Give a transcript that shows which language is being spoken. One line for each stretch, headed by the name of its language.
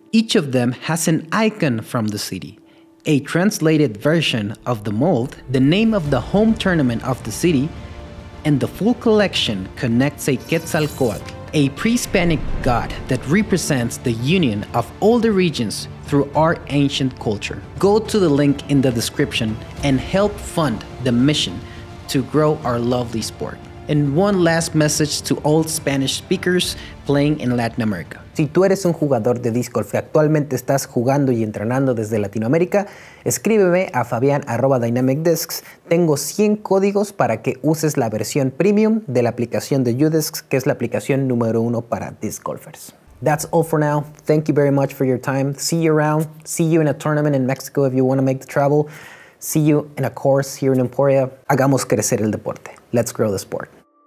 English: Each of them has an icon from the city, a translated version of the mold, the name of the home tournament of the city, and the full collection connects a Quetzalcoatl, a pre-Hispanic god that represents the union of all the regions through our ancient culture. Go to the link in the description and help fund the mission to grow our lovely sport. And one last message to all Spanish speakers playing in Latin America.
Spanish: Si tú eres un jugador de disc golf que actualmente estás jugando y entrenando desde Latinoamérica, escríbeme a fabian@dynamicdiscs. Tengo 100 códigos para que uses la versión premium de la aplicación de UDiscs, que es la aplicación número uno para disc golfers.
English: That's all for now. Thank you very much for your time. See you around. See you in a tournament in Mexico if you want to make the travel. See you in a course here in Emporia.
Spanish: Hagamos crecer el deporte.
English: Let's grow the sport.